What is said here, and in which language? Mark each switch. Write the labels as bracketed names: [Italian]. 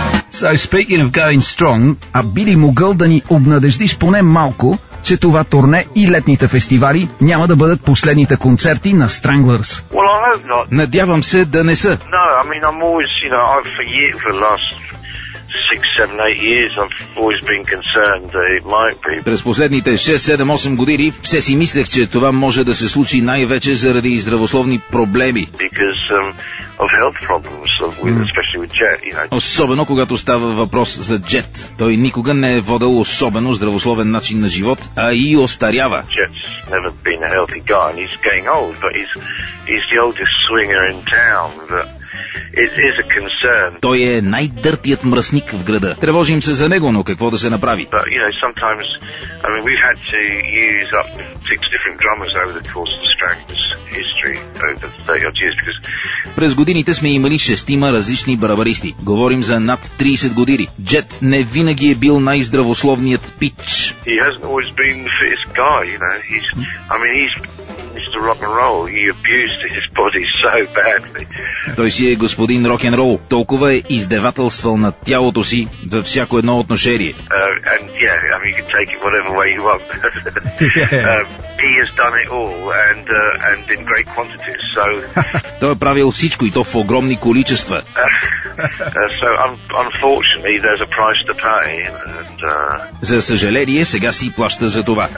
[English] So speaking of going strong, [Bulgarian] а би ли могъл да ни обнадеждиш поне малко, че това турне и летните фестивали няма да бъдат последните концерти на Stranglers? [English] Well, I hope not. [Bulgarian] Надявам се да не са. [English] No, I mean, I'm always, you know, I've for the last 6-7-8 years, I've always been concerned that it might be. [Bulgarian] През последните 6-7-8 години все си мислех, че това може да се случи най-вече заради здравословни проблеми. [English] Because, of health problems, especially with Jet, you know. [Bulgarian] Особено когато става въпрос за Jet. Той никога не е водил особено здравословен начин на живот, а и остарява. [English] Jet's never been a healthy guy and he's getting old, but he's the oldest swinger in town, but it is a concern. [Bulgarian] Той е най-дъртият мръсник в града. Тревожим се за него, но какво да се направи? [English] But, you know, sometimes, I mean, we've had to use up 6 different drummers over the course of the Stranglers history over 30-odd years, because [Bulgarian] през годините сме имали шестима различни барабаристи. Говорим за над 30 години. Jet не винаги е бил най-здравословният пич. [English] He hasn't always been the fittest guy, you know. He's, I mean, he's Mr. Rock and Roll. He abused his body so badly. [Bulgarian] Той си е господин рок н рол. Толкова е издевателствал над тялото си във всяко едно отношение. [English] And yeah, I mean, you can take it whatever way you want. He has done it all and in great quantities, so... [Bulgarian] Той е правил всичко и то в огромни количества. [English] So, unfortunately, there's a price to pay. [Bulgarian] За съжаление, сега си плаща за това.